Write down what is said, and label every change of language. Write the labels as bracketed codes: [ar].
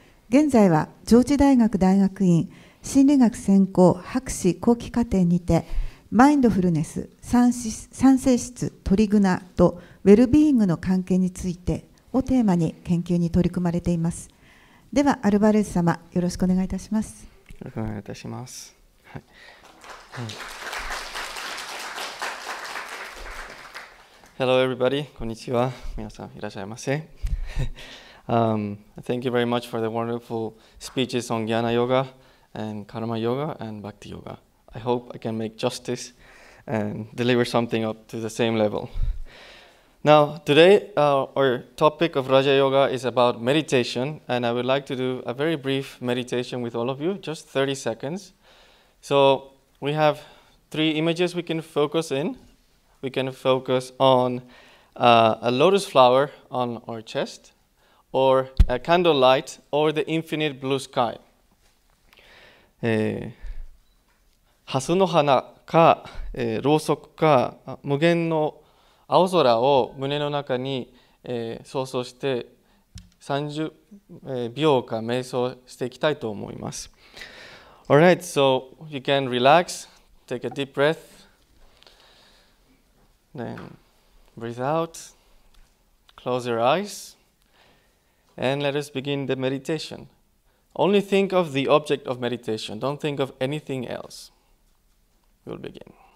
[ja] 現在は上智大学大学院心理学専攻博士後期課程にてマインドフルネス、三性質、トリグナとウェルビーイングの関係についてをテーマに研究に取り組まれています。ではアルバレス様、よろしくお願いいたします。よろしくお願いいたします。はい、うん、 [en] Hello everybody, [ja] こんにちは。皆さんいらっしゃいませ。 [en] thank you very much for the wonderful speeches on Jnana Yoga and Karma Yoga and Bhakti Yoga. I hope I can make justice and deliver something up to the same level. Now, today, our topic of Raja Yoga is about meditation, and I would like to do a very brief meditation with all of you, just 30 seconds. So, we have three images we can focus in. We can focus on a lotus flower on our chest, or a candlelight, or the infinite blue sky. [ja] ハスの花か、ろうそくか、無限の青空を胸の中に、想像して30秒か瞑想していきたいと思います。 [en] All right, so you can relax, take a deep breath. Then breathe out, close your eyes, and let us begin the meditation. Only think of the object of meditation, don't think of anything else. We'll begin.